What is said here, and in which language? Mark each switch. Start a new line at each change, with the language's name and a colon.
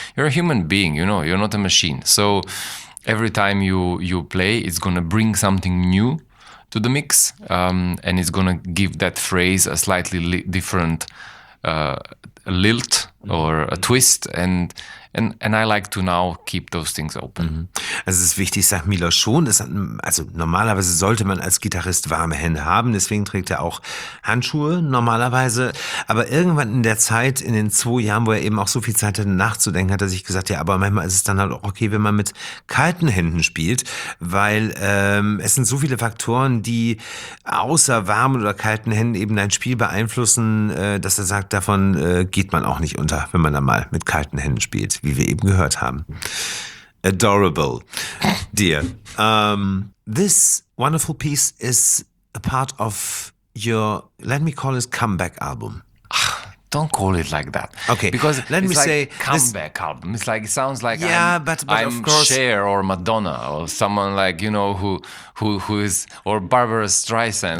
English: You're a human being, you know, you're not a machine. So every time you play, it's going to bring something new to the mix, and it's going to give that phrase a slightly different lilt or a twist, and I like to now keep those things open. Mm-hmm.
German: Also es ist wichtig, sagt Miloš schon, normalerweise sollte man als Gitarrist warme Hände haben, deswegen trägt er auch Handschuhe normalerweise, aber irgendwann in der Zeit, in den 2 Jahren, wo er eben auch so viel Zeit hatte, nachzudenken, hat er sich gesagt, ja, aber manchmal ist es dann halt auch okay, wenn man mit kalten Händen spielt, weil es sind so viele Faktoren, die außer warmen oder kalten Händen eben dein Spiel beeinflussen, dass er sagt, davon geht man auch nicht unter, wenn man dann mal mit kalten Händen spielt. Wie wir eben gehört haben.
English: Adorable, dear. This wonderful piece is a part of your, let me call it, comeback album. Don't call it like that. Okay, because let me like say comeback this, album. It's like, it sounds like I'm Cher or Madonna or someone like, you know, who is, or Barbara Streisand.